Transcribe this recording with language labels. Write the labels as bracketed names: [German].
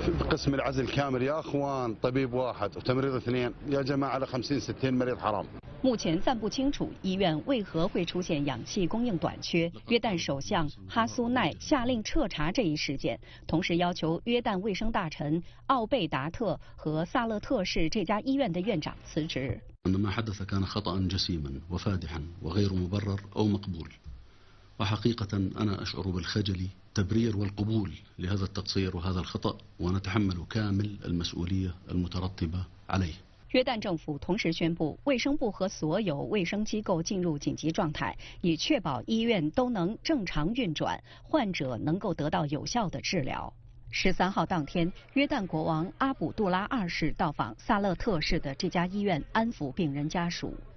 [Arabic] قسم العزل كامل يا اخوان طبيب واحد وتمريض اثنين يا جماعه على 50-60 مريض حرام。 [Chinese] 目前暂不清楚医院为何会出现氧气供应短缺。约旦首相哈苏奈下令彻查这一事件，同时要求约旦卫生大臣奥贝达特和萨勒特市这家医院的院长辞职。 [Arabic] ما حدث كان خطأ جسيما وفادحا وغير مبرر او مقبول وحقيقة انا اشعر بالخجل。 تبرير والقبول لهذا التقصير وهذا الخطأ ونتحمل كامل المسؤولية المترتبة عليه。 [Chinese] 约旦政府同时宣布，卫生部和所有卫生机构进入紧急状态，以确保医院都能正常运转，患者能够得到有效的治疗。 13号当天，约旦国王阿卜杜拉2世到访萨勒特市的这家医院，安抚病人家属。